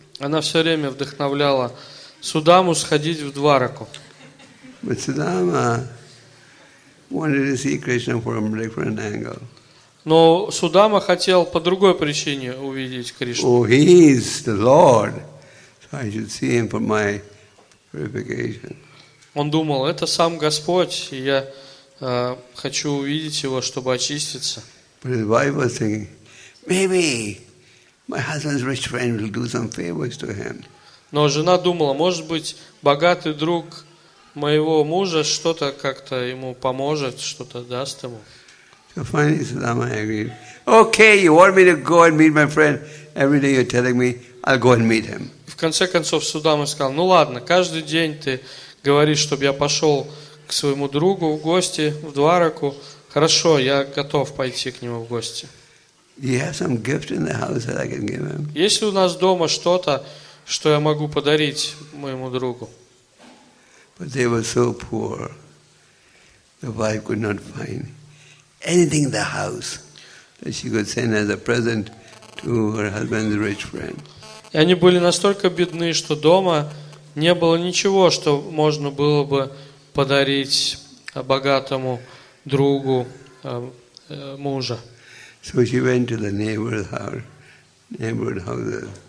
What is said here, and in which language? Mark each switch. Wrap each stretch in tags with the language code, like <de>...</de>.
<ru>Она все время вдохновляла Судаму сходить в Двараку.</ru> <en>But Sudama wanted to see Krishna from a different angle.</en> <ru>Но Судама хотел по другой причине увидеть Кришну.</ru> <en>Oh, he is the Lord, so I should see him for my purification.</en> <ru>Он думал, это сам Господь, и я хочу увидеть его, чтобы очиститься.</ru> <en>But his wife was thinking, maybe my husband's rich friend will do some favors to him.</en> <ru>Но жена думала, может быть, богатый друг моего мужа что-то как-то ему поможет, что-то даст ему.</ru> <en>So finally, Sudama agreed. Okay, you want me to go and meet my friend? Every day you're telling me, I'll go and meet him.</en> <ru>В конце концов, Судама сказал, ну ладно, каждый день ты говоришь, чтобы я пошел к своему другу в гости, в Двараку. Хорошо, я готов пойти к нему в гости.</ru> <en>You have some gift in the house that I can give him?</en> <ru>Есть ли у нас дома что-то, что я могу подарить моему другу?</ru> <en>But they were so poor, the wife could not find anything in the house that she could send as a present to her husband's rich friend.</en> <ru>И они были настолько бедны, что дома не было ничего, что можно было бы подарить богатому другу мужа.</ru> <en>So she went to the neighbor's house.</en>